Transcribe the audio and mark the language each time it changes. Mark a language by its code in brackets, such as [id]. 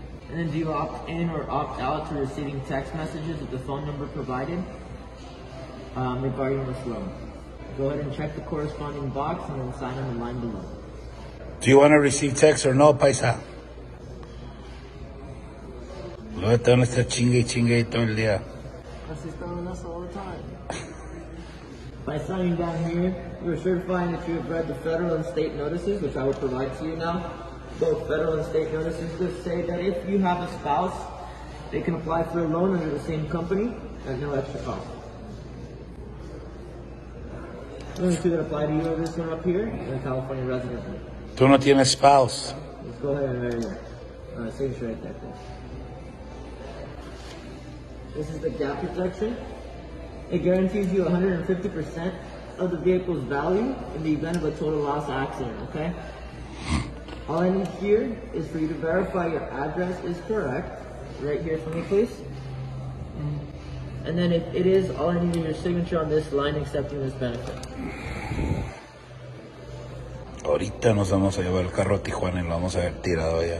[en] And then do you opt in or opt out to receiving text messages at the phone number provided regarding this loan? Go ahead and check the corresponding box and then sign on the line below. Do you want to receive text or no, paisa? [es] Lo están está chingue y chingue todo el día. Así están en eso [en] all the time. By signing down here, you're certifying that you have read the federal and state notices, which I will provide to you now. Both federal and state notices just say that if you have a spouse, they can apply for a loan under the same company at no extra cost. The only two that apply to you are this one up here and a California resident. [es] Tú no tienes spouse. [en] Let's go ahead and write it there. All right, signature right there, please. This is the gap protection. It guarantees you 150% of the vehicle's value in the event of a total loss accident, okay? All I need here is for you to verify your address is correct. Right here for me, please. And then if it is, all I need is your signature on this line accepting this benefit. [es] Ahorita nos vamos a llevar el carro a Tijuana y lo vamos a ver tirado allá.